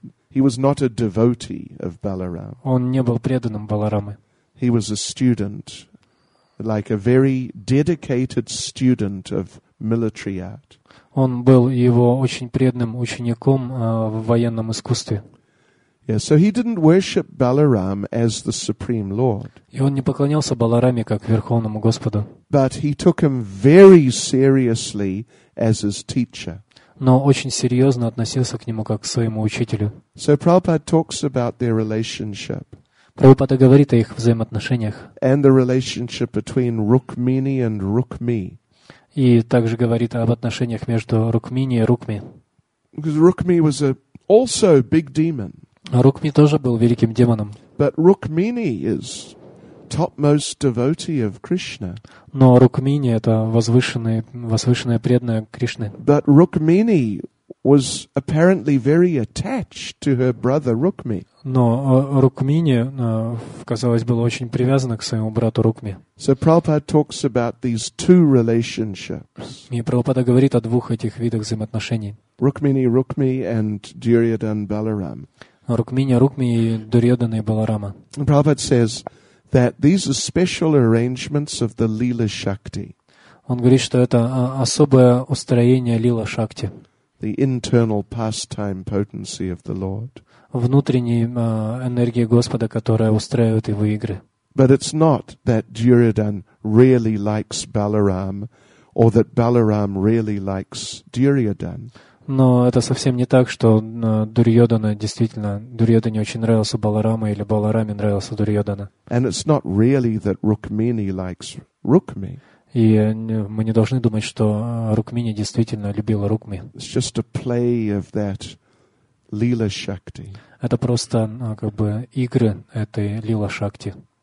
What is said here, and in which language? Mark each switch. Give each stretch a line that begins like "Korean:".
English: He was not a devotee of Balaram.
Russian: Он не был преданным Баларамы.
English: He was a student, like a very dedicated student of military art.
Russian: Он был его очень преданным учеником в военном искусстве.
English: Yeah, so he didn't worship Balaram as the supreme lord.
Russian: И он не поклонялся Балараме как верховному господу.
English: But he took him very seriously as his teacher.
Russian: Но очень серьезно относился к нему как к своему учителю.
English: So Prabhupada talks about their relationship.
Russian: Прабхупада говорит о их взаимоотношениях.
English: And the relationship between Rukmini and Rukmi.
Russian: И также говорит об отношениях между Рукмини и Рукми.
English: Because Rukmi was also a big demon.
Russian: Рукми тоже был великим демоном.
English: But Rukmini is topmost devotee of Krishna.
Russian: Но Рукмини — это возвышенная преданная Кришны.
English: But Rukmini was apparently very attached to her brother Rukmi.
Russian: Но Рукмини, казалось, была очень привязана к своему брату Рукми.
English: So Prabhupada talks about these two relationships.
Russian: И Прабхупада говорит о двух этих видах взаимоотношений.
English: Rukmini, Rukmi, and Duryodhan, Balaram.
Russian: Рукмини, Рукми и Дурьодхана и Баларама.
English: Prabhupada says that these are special arrangements of the Lila Shakti.
Russian: Он говорит, что это особое устроение Лила Шакти.
English: The internal pastime potency of the Lord.
Russian: Внутренняя энергия Господа, которая устраивает его игры.
English: But it's not that Duryodhan really likes Balaram, or that Balaram really likes Duryodhan.
Russian: Но это совсем не так, что Дурьодхане очень нравился Баларама или Балараме нравился Дурьодхана.
English: And it's not really that Rukmini likes Rukmi.
Russian: И мы не должны думать, что Рукмини действительно любила Рукми.
English: It's just a play of that Lila Shakti.
Russian: Это просто игры этой Лила Шакти.